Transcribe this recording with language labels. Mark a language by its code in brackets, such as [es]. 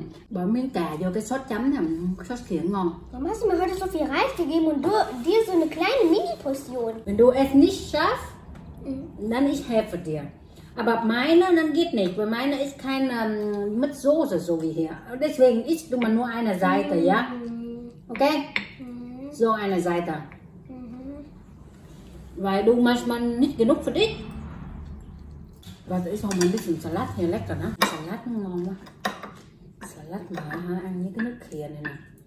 [vi] Bỏ miếng cà vô cái sốt chấm nè, sốt khỉa ngon. [de] Mama, sie mir heute so viel Reis gegeben und du dir so eine kleine Mini-Portion. Wenn du es nicht schaffst, dann ich helfe dir. Aber meine, dann geht nicht, weil meine ist kein mit Soße so wie hier. Deswegen isst du mal nur eine Seite, ja? Okay? So eine Seite. Weil du manchmal nicht genug für dich. [vi] Và tự xong mình biết dùng salad hay lát rồi nó. Salad nó ngon quá. Salad mà ha, ăn với cái nước khìa này nè.